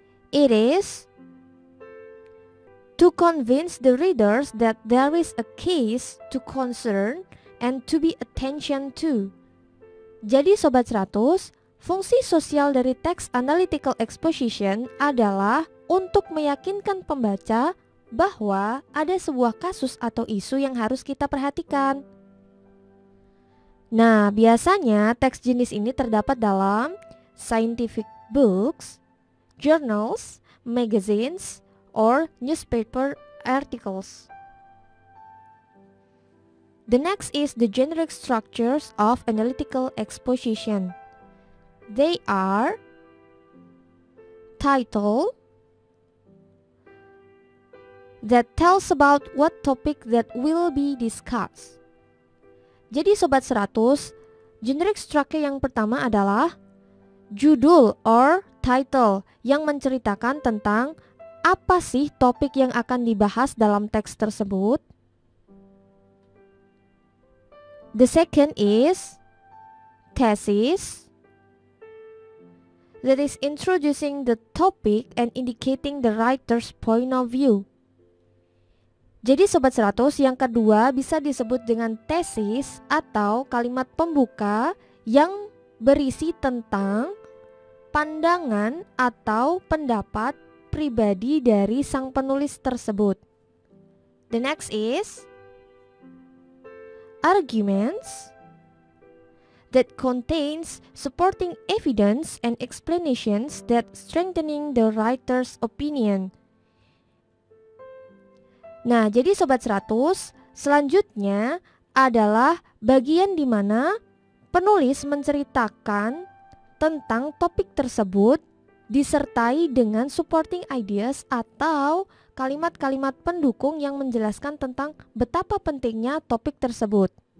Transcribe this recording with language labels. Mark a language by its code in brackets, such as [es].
[en] It is to convince the readers that there is a case to concern and to be attention to. [id] Jadi Sobat 100, fungsi sosial dari teks analytical exposition adalah untuk meyakinkan pembaca bahwa ada sebuah kasus atau isu yang harus kita perhatikan. Nah, biasanya teks jenis ini terdapat dalam [en] scientific books, journals, magazines, or newspaper articles. The next is the generic structures of analytical exposition. They are title that tells about what topic that will be discussed. [id] Jadi Sobat 100, generic structure yang pertama adalah judul or title yang menceritakan tentang apa sih topik yang akan dibahas dalam teks tersebut? [en] The second is thesis that is introducing the topic and indicating the writer's point of view. [id] Jadi Sobat 100, yang kedua bisa disebut dengan thesis atau kalimat pembuka yang berisi tentang pandangan atau pendapat pribadi dari sang penulis tersebut. [en] The next is arguments that contains supporting evidence and explanations that strengthening the writer's opinion. [id] Nah, jadi Sobat 100, selanjutnya adalah bagian di mana penulis menceritakan tentang topik tersebut disertai dengan supporting ideas atau kalimat-kalimat pendukung yang menjelaskan tentang betapa pentingnya topik tersebut.